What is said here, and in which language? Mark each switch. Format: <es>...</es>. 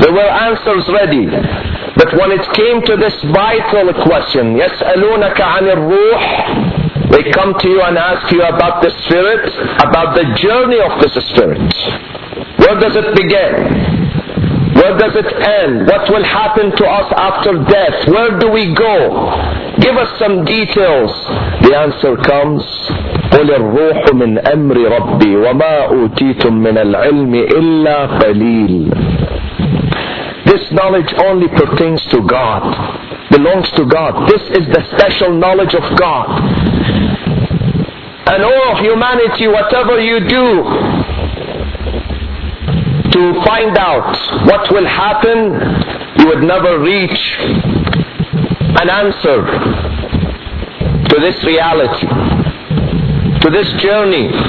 <en>There were answers ready. But when it came to this vital question,</en> <ar>يَسْأَلُونَكَ عَنِ الْرُوحِ.</ar> <en>They come to you and ask you about the spirit, about the journey of this spirit. Where does it begin? Where does it end? What will happen to us after death? Where do we go? Give us some details. The answer comes,</en> <ar>قُلِ الرُّوحُ مِنْ أَمْرِ رَبِّي وَمَا أُوتِيتُمْ مِنَ الْعِلْمِ إِلَّا قَلِيلٌ.</ar> <en>This knowledge only pertains to God, belongs to God. This is the special knowledge of God. And all of humanity, whatever you do to find out what will happen, you would never reach an answer to this reality, to this journey.</en>